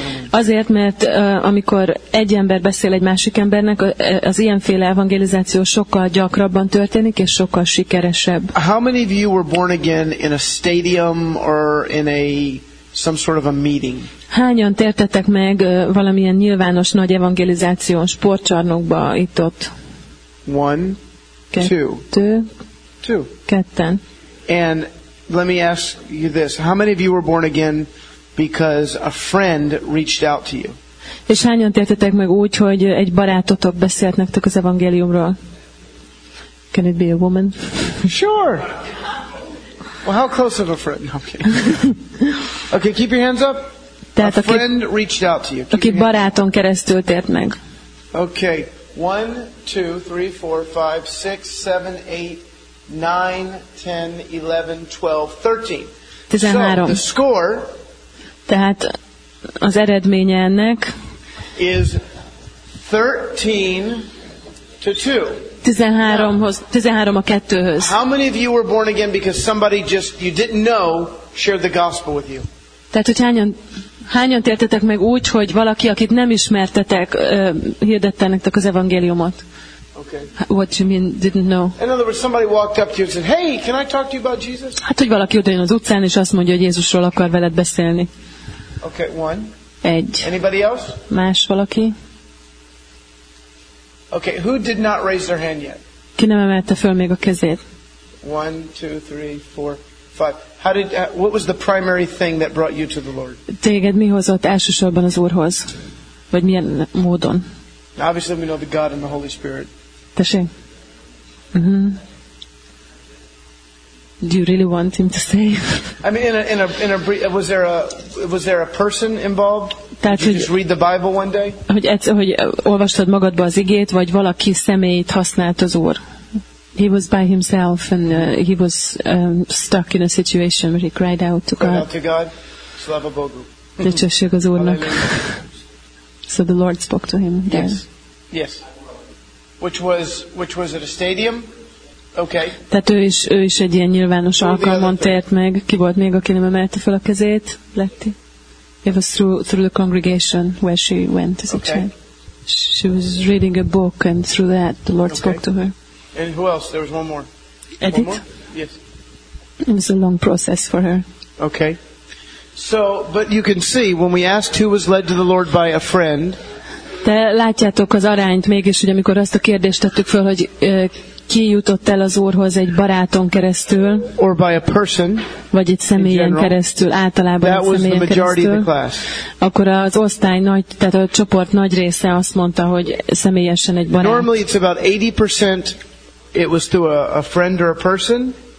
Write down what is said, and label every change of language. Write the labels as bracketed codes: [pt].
[hu] Azért, mert amikor egy ember beszél egy másik embernek, az ilyenféle evangelizáció sokkal gyakrabban történik, és sokkal sikeresebb. [en] How many of you were born again in a stadium or in a some sort of a meeting? [hu] Hányan tértetek meg valamilyen nyilvános nagy evangelizáción, sportcsarnokba itt-ott? [en] One, two. [hu] Ketten. [en] And let me ask you this. How many of you were born again because a friend reached out to you? [hu] És hányan tértetek meg úgy, hogy egy barátotok beszélt nektek az evangéliumról? [en] Can it be a woman? Sure. Well, how close of a friend? Okay. Okay, keep your hands up. [hu] Tehát [en] a friend reached out to you. [hu] Aki baráton keresztül tért meg. [en] Okay. 1 2 3 4 5 6 7 8 9 10 11 12 13. 13. So, the score. [hu] Tehát az eredménye ennek [en] is 13 to 2. [hu] 13 a 2-höz. [en] How many of you were born again because somebody just you didn't know shared the gospel with you? [hu] Tehát hányan tértetek meg úgy, hogy valaki, akit nem ismertetek, hirdette nektek az evangéliumot? [en] Okay. What you mean didn't know? In other words, somebody walked up to you and said, "Hey, can I talk to you about Jesus?" [hu] Hát hogy valaki odajön az utcán és azt mondja, hogy Jézusról akar veled beszélni. [en] Okay, one. [hu] Egy. [en] Anybody else? [hu] Más valaki? [en] Okay, who did not raise their hand yet? [hu] Ki nem emelte föl még a kezét? [en] One, two, three, four, five. What was the primary thing that brought you to the Lord? [hu] Téged mi hozott elsősorban az Úrhoz? Vagy milyen módon? [en] Obviously we know the God and the Holy Spirit. [hu] Tessék. Mm-hmm. [en] Do you really want him to say? I mean, in a was there a person involved? Did you just read the Bible one day? [hu] Hogy olvastad magadba az igét, vagy valaki személyt használt az Úr? [en] He was by himself and he was stuck in a situation where he cried out to God. [ru] Slava Bogu. [hu] Dicsőség az Úrnak. [en] So the Lord spoke to him. Yes. Yes. Which was at a stadium? Okay. [hu] Tehát ő is egy ilyen nyilvános alkalmon tért meg. Ki volt még, aki nem emelte fel a kezét? Letti. [en] It was through the congregation where she went as a child. She was reading a book, and through that the Lord spoke to her. And who else? There was one more. Edith? Yes. It was a long process for her. Okay. So, but you can see, when we asked who was led to the Lord by a friend... [hu] De látjátok az arányt mégis, hogy amikor azt a kérdést tettük föl, hogy ki jutott el az Úrhoz egy baráton keresztül, [en] or by a person, [hu] vagy egy személyen [en] general, [hu] keresztül, általában [en] that [hu] egy személyen [en] was the majority [hu] keresztül, [en] of the class. [hu] Akkor az osztály nagy, tehát a csoport nagy része azt mondta, hogy személyesen egy barát. [en] Normally it's about 80% it was to a friend or a person.